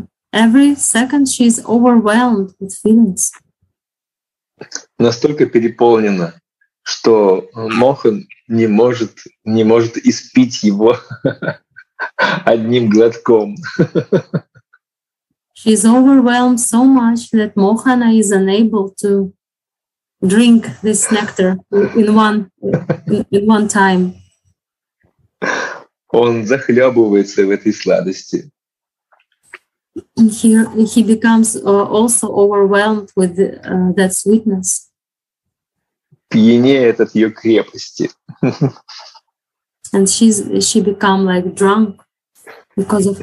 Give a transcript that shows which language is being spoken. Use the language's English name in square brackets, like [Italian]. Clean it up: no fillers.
[English] Every second she is overwhelmed with feelings. [Russian] Настолько переполнена, что Мохан не может испить его одним глотком. [English] She's overwhelmed so much that Mohana is unable to drink this nectar in one time. [Russian] Он захлебывается в этой сладости. [English] He becomes also overwhelmed with that sweetness. [Russian] Пьянеет от ее крепости. [English] And she become like drunk because of